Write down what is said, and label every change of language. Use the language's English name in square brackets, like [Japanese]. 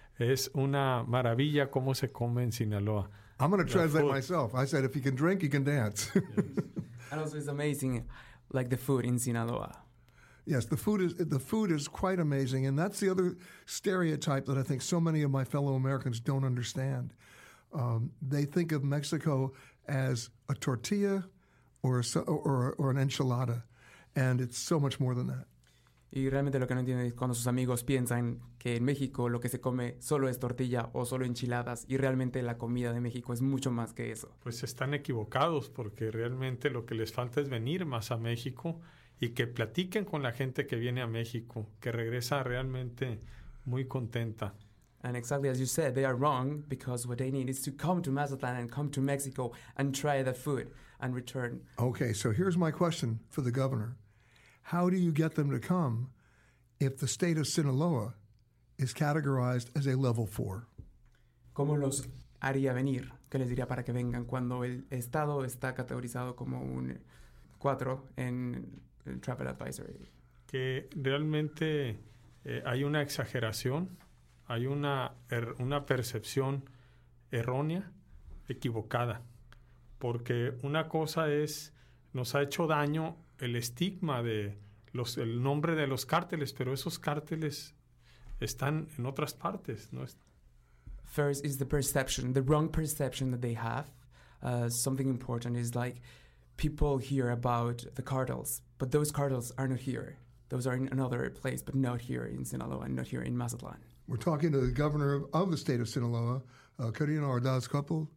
[Spanish] Es una maravilla cómo se come en Sinaloa. [English] I'm going to translate myself. I said, if you can drink, you can dance. Yes. And also, it's amazing, like the food in Sinaloa. Yes, the food is quite amazing, and that's the other stereotype that I think so many of my fellow Americans don't understand. They think of Mexico as a tortilla or an enchilada, and it's so much more than that. [Spanish] Y realmente lo que no entiende es cuando sus amigos piensan que en México lo que se come solo es tortilla o solo enchiladas y realmente la comida de México es mucho más que eso. Pues están equivocados porque realmente lo que les falta es venir más a México y que platiquen con la gente que viene a México, que regresa realmente muy contenta. [English] And exactly as you said, they are wrong because what they need is to come to Mazatlan and come to Mexico and try the food and return. Okay, so here's my question for the governor. How do you get them to come if the state of Sinaloa is categorized as a level 4? [Spanish] ¿Cómo los haría venir? ¿Qué les diría para que vengan cuando el estado está categorizado como un 4 en el Travel Advisory? Que realmente hay una exageración, hay una percepción errónea, equivocada, porque una cosa es nos ha hecho daño el estigma de el nombre de los cárteles, pero esos cárteles están en otras partes, ¿no? [English] First is the perception, the wrong perception that they have. Something important is like people hear about the cartels, but those cartels are not here. Those are in another place, but not here in Sinaloa, not here in Mazatlan. We're talking to the governor of the state of Sinaloa, Karina Ordaz-Coppel.